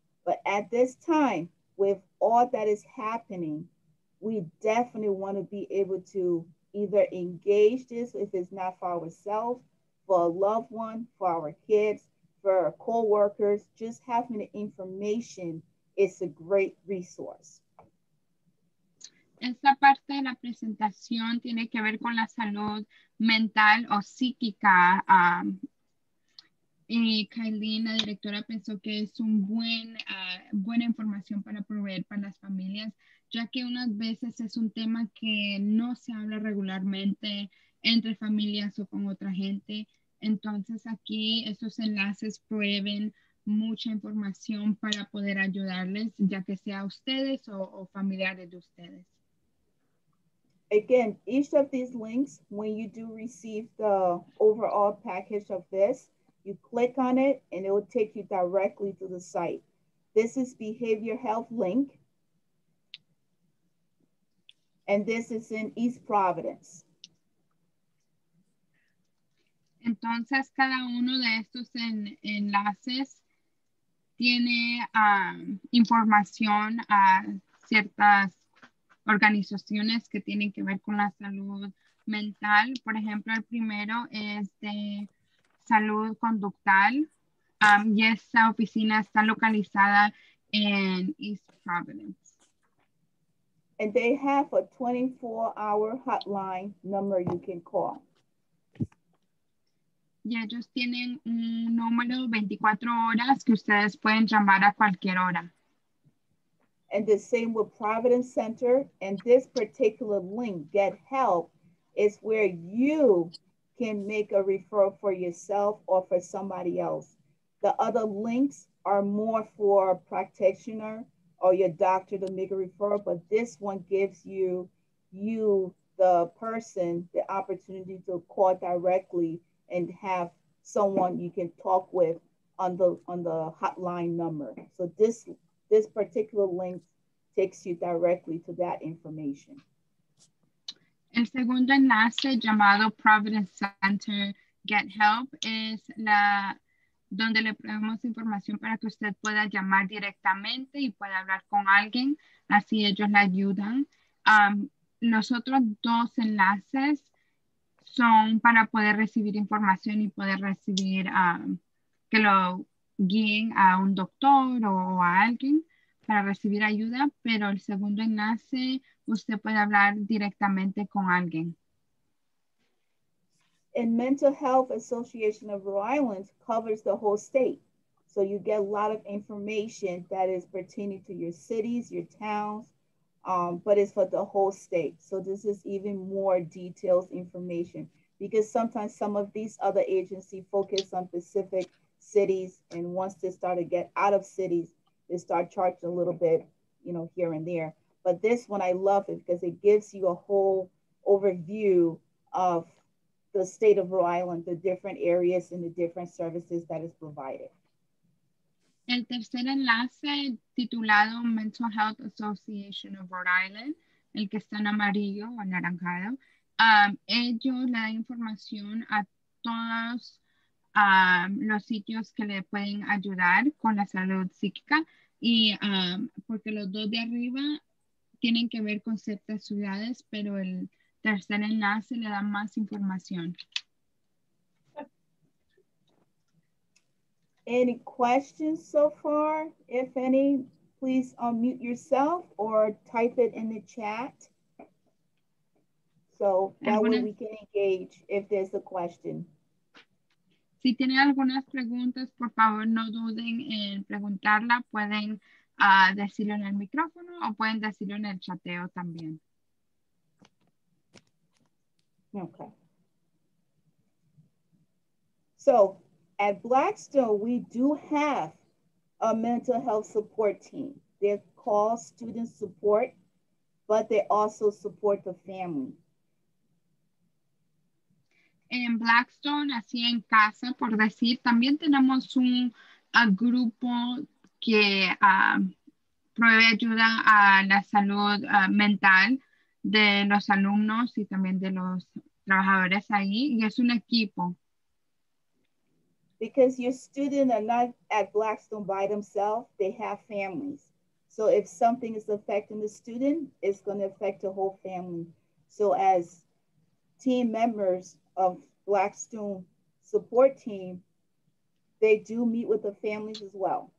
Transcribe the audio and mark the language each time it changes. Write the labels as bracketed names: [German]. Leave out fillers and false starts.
[English] But at this time, with all that is happening, we definitely want to be able to either engage this, if it's not for ourselves, for a loved one, for our kids, for our coworkers, just having the information is a great resource. [Spanish] Esta parte de la presentación tiene que ver con la salud mental o psíquica. Y Kylie, la directora, pensó que es un buena información para proveer para las familias, ya que unas veces es un tema que no se habla regularmente entre familias o con otra gente. Entonces aquí estos enlaces prueben mucha información para poder ayudarles, ya que sea ustedes o familiares de ustedes. [English] Again, each of these links, when you do receive the overall package of this, you click on it and it will take you directly to the site. This is Behavior Health link. And this is in East Providence. [Spanish] Entonces, cada uno de estos enlaces tiene información a ciertas organizaciones que tienen que ver con la salud mental. Por ejemplo, el primero es de salud conductal y esta oficina está localizada en East Providence. [English] And they have a 24-hour hotline number you can call. [Spanish] Y ellos tienen un número 24 horas que ustedes pueden llamar a cualquier hora. [English] And the same with Providence Center. And this particular link, Get Help, is where you can make a referral for yourself or for somebody else. The other links are more for a practitioner or your doctor to make a referral, but this one gives you the person, the opportunity to call directly and have someone you can talk with on the hotline number. So this particular link takes you directly to that information. [Spanish] El segundo enlace llamado Providence Center Get Help es la donde le ponemos información para que usted pueda llamar directamente y pueda hablar con alguien. Así ellos le ayudan. Los otros dos enlaces son para poder recibir información y poder recibir que lo guíen a un doctor o a alguien para recibir ayuda, pero el segundo enlace, usted puede hablar directamente con alguien. [English] And Mental Health Association of Rhode Island covers the whole state. So you get a lot of information that is pertaining to your cities, your towns, but it's for the whole state. So this is even more detailed information, because sometimes some of these other agencies focus on specific cities, and once they start to get out of cities, they start charging a little bit, you know, here and there. But this one, I love it because it gives you a whole overview of the state of Rhode Island, the different areas and the different services that is provided. [Spanish] El tercer enlace titulado Mental Health Association of Rhode Island, el que está en amarillo o anaranjado, ellos le dan información a todos los sitios que le pueden ayudar con la salud psíquica y porque los dos de arriba tienen que ver con ciertas ciudades, pero el tercer enlace le da más información. [English] Any questions so far? If any, please unmute yourself or type it in the chat. So that way we can engage if there's a question. [Spanish] Si tiene algunas preguntas, por favor, no duden en preguntarla. Pueden decirlo en el micrófono o pueden decirlo en el chateo también. [English] Okay. So at Blackstone, we do have a mental health support team. They call student support, but they also support the family. [Spanish] En Blackstone, así en casa, por decir, también tenemos un grupo que provee ayuda a la salud mental de los alumnos y también de los trabajadores ahí, y es un equipo. [English] Because your students are not at Blackstone by themselves, they have families. So if something is affecting the student, it's going to affect the whole family. So as team members of Blackstone support team, they do meet with the families as well.